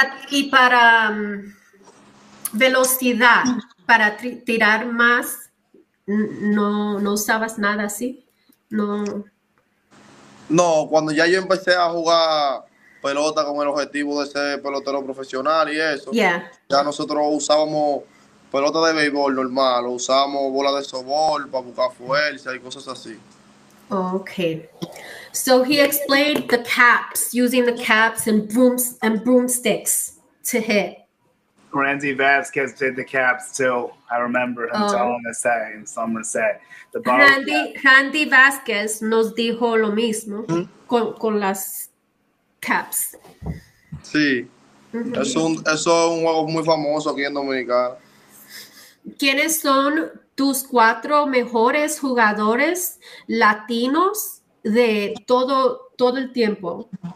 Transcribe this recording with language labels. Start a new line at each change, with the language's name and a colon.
Spanish: Y para velocidad, para tirar más, no usabas nada así, no. No, cuando ya yo empecé a jugar pelota con el objetivo de ser pelotero profesional y eso, ya nosotros usábamos pelota de béisbol normal, o usábamos bola de softball para buscar fuerza y cosas así.
English: Okay, so he explained the caps, using the caps and broomsticks to hit. Randy Vasquez did the caps too. I remember him telling us that in Somerset.
Spanish: Randy Vasquez nos dijo lo mismo con las caps. Sí, eso es un juego muy famoso aquí en Dominicana. ¿Quiénes son tus cuatro mejores jugadores latinos de todo el tiempo?